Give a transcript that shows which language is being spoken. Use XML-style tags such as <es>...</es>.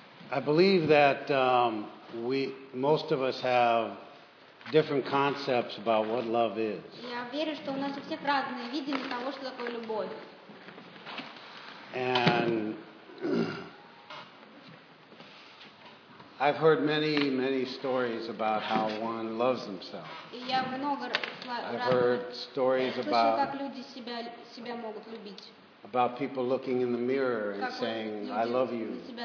<en>I believe that we most of us have different concepts about what love is.</en> <ru>Я верю, что у нас у всех разные видения того, что такое любовь.</ru> <en>And I've heard many, many stories about how one loves themselves.</en> <ru>Я много раз.</ru> <en>I've heard stories about.</en> <ru>Слышал, как люди себя могут любить.</ru> <en>About people looking in the mirror and saying, "I love you."</en>